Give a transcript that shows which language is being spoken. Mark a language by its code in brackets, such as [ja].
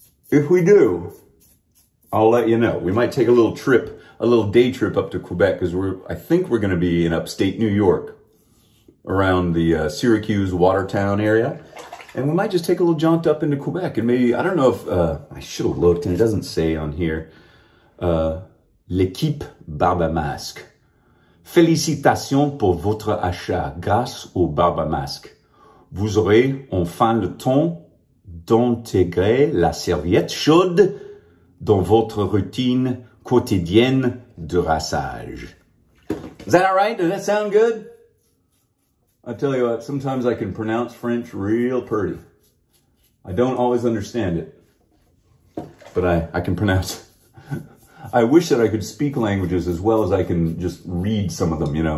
[en] If we do, I'll let you know. We might take a little trip, a little day trip up to Quebec because I think we're going to be in upstate New York around the Syracuse, Watertown area. And we might just take a little jaunt up into Quebec. And maybe, I don't know if, I should have looked and it doesn't say on here, L'équipe Barber Mask. [fr] Félicitations pour votre achat grâce au Barber Mask. Vous aurez enfin le temps d'intégrer la serviette chaude dans votre routine quotidienne de rasage. [en] Is that all right? Does that sound good? I tell you what, sometimes I can pronounce French real pretty. I don't always understand it, but I can pronounce. I wish that I could speak languages as well as I can just read some of them, you know.